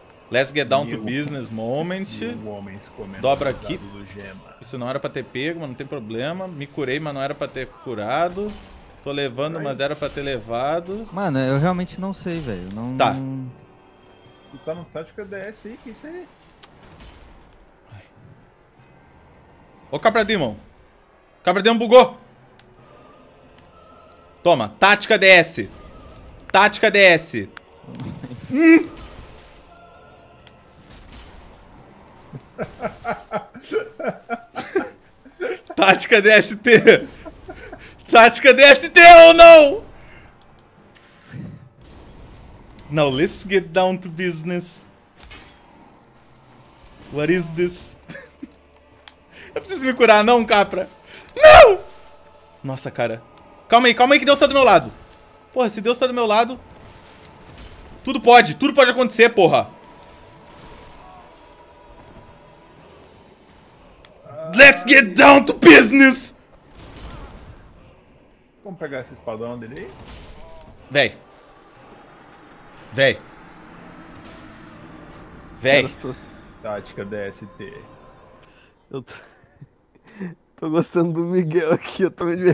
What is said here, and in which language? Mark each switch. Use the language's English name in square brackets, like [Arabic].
[English] Let's get down to business moment. [Portuguese] Dobra aqui. Isso não era pra ter pego, mas não tem problema. Me curei, mas não era pra ter curado. Tô levando, mas era pra ter levado. Mano, eu realmente não sei, velho. Não... Tá. Tu tá no tático DS aí, que isso aí? Ô, Capra Demon. Capra Demon bugou. Toma, tática DS. Tática DS. Tática DST. Tática DST ou não? [English] Now, let's get down to business. What is this? [Portuguese] Eu preciso me curar, não, Capra. Não! Nossa, cara. Calma aí que Deus tá do meu lado. Porra, se Deus tá do meu lado... Tudo pode acontecer, porra. [English] Let's get down to business! [Portuguese] Vamos pegar esse espadão dele aí? Véi. Tática DST. Eu tô... Tô gostando do Miguel aqui, eu tô me divertindo.